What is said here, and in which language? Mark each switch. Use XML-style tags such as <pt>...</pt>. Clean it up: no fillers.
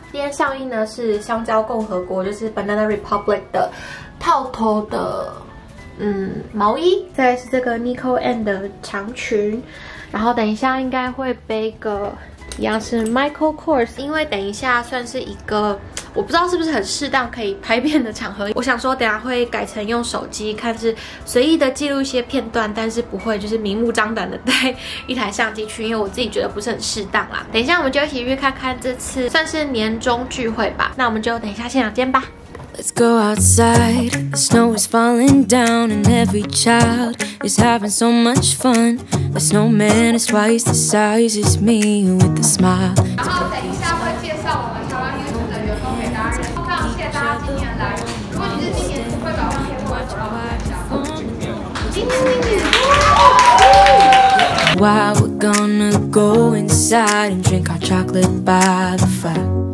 <zh>今天上衣呢是香蕉共和国，就是 Banana Republic 的套头的毛衣，再来是这个 Nicole Ann 的长裙，然后等一下应该会背个一样是 Michael Kors， 因为等一下算是一个我不知道是不是很适当可以拍片的场合，我想说等一下会改成用手机看是随意的记录一些片段，但是不会就是明目张胆的带一台相机去，因为我自己觉得不是很适当啦。等一下我们就一起去看看这次算是年终聚会吧，那我们就等一下现场见吧。</zh> <en>Let's go outside. The snow is falling down, and every child is having so much fun. The snowman is twice the size as me with a smile.</en> <zh>然后等一下会介绍我们台湾 YouTube 的员工给大家认识。非常谢谢大家今天来。如果你是今年会把片段传给我，今天是今年。</zh> <en>While we're gonna go inside and drink our chocolate by the fire.</en>